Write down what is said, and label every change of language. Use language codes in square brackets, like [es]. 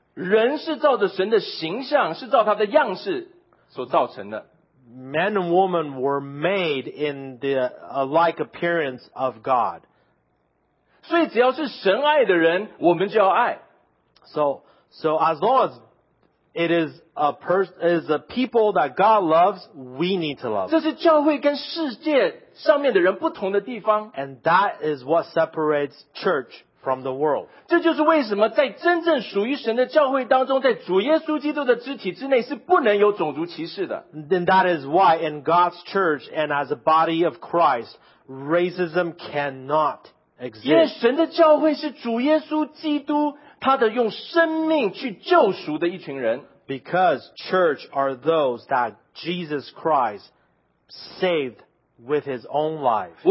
[zh] 人是照着神的形象, 是照他的样式所造成的。 [en] Men and women were made in the alike appearance of God. [zh] 所以只要是神爱的人, 我们就要爱。 [en] So as long as it is a people that God loves, we need to love. [zh] 这是教会跟世界上面的人不同的地方。 [en] And that is what separates church from the world. [zh] 这就是为什么在真正属于神的教会当中, 在主耶稣基督的肢体之内是不能有种族歧视的。 [en] Then that is why in God's church and as a body of Christ, racism cannot exist. [zh] 因为神的教会是主耶稣基督, 他的用生命去救赎的一群人。 [en] Because church are those that Jesus Christ saved with his own life.